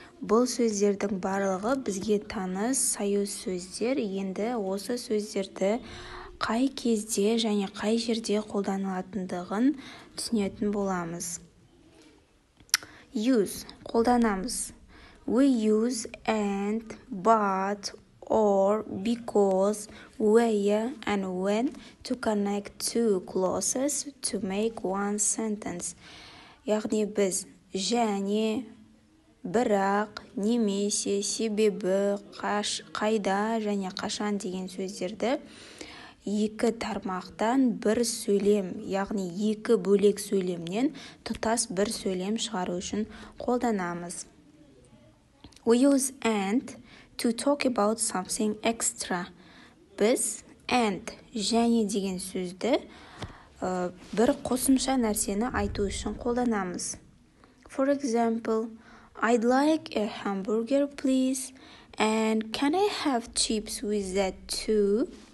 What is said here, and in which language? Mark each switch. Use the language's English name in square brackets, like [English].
[Kazakh] Бұл сөздердің барлығы бізге таныс союз сөздер. Енді осы сөздерді қай кезде және қай жерде қолданылатындығын түсінетін боламыз. [English] Use, [Kazakh] қолданамыз. [English] We use and, but, or, because, where, and when to connect two clauses to make one sentence. [Kazakh] Яғни біз және, бірақ, немесе, себебі, қайда және қашан деген сөздерді екі тармақтан бір сөйлем, яғни екі бөлек сөйлемнен тұтас бір сөйлем шығару үшін қолданамыз. [English] We use and to talk about something extra. [Kazakh] Біз and және деген сөзді бір қосымша нәрсені айту үшін қолданамыз. [English] For example, I'd like a hamburger, please, and can I have chips with that too?